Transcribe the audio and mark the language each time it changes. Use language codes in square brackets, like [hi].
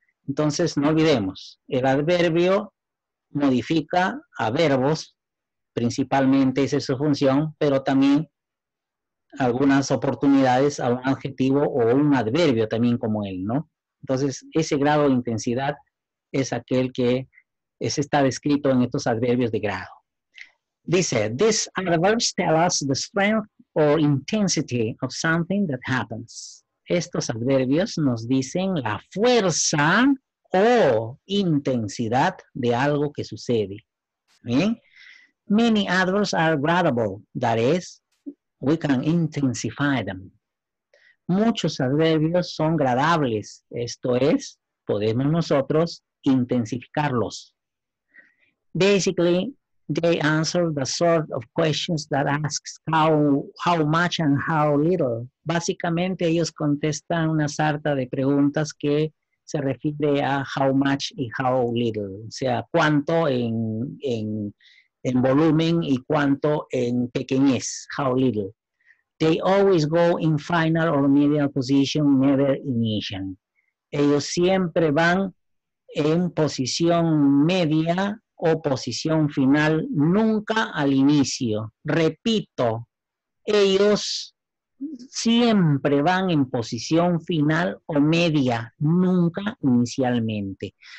[es] Entonces, no olvidemos, el adverbio modifica a verbos, principalmente esa es su función, pero también algunas oportunidades a un adjetivo o un adverbio también como él, ¿no? Entonces, ese grado de intensidad es aquel que está descrito en estos adverbios de grado. Dice, [en] "These adverbs tell us the strength or intensity of something that happens." [es] Estos adverbios nos dicen la fuerza o intensidad de algo que sucede. ¿Bien? [en] Many adverbs are gradable, that is, we can intensify them. [es] Muchos adverbios son gradables, esto es, podemos nosotros intensificarlos. [en] Basically, they answer the sort of questions that asks how much and how little. [es] Básicamente, ellos contestan una sarta de preguntas que se refiere a [en] how much [es] y [en] how little, [es] o sea, cuánto en volumen y cuánto en pequeñez, how little. [en] They always go in final or middle position, never initial. [es] Ellos siempre van en posición media o posición final, nunca al inicio. Repito, ellos siempre van en posición final o media, nunca inicialmente.